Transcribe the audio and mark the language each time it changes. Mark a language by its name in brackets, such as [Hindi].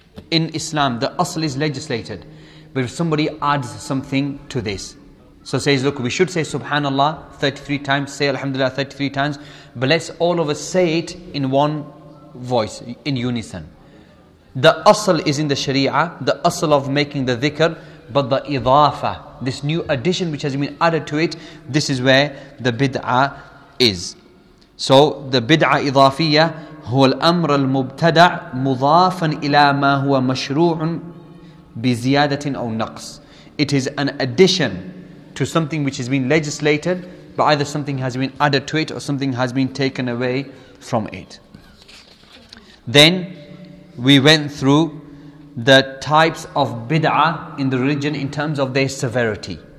[English] In Islam, the asl is legislated. But if somebody adds something to this, so says, look, we should say subhanallah 33 times, say alhamdulillah 33 times, but let's all of us say it in one voice, in unison. The asl is in the sharia, the asl of making the dhikr, but the idafa, this new addition which has been added to it, this is where the bid'ah is. So the bid'ah idafiyah, [Arabic] هو الأمر المبتدع مضافا إلى ما هو مشروع بزيادة أو نقص. [English] It is an addition to something which has been legislated, but either something has been added to it or something has been taken away from it. Then we went through the types of bid'ah in the religion in terms of their severity.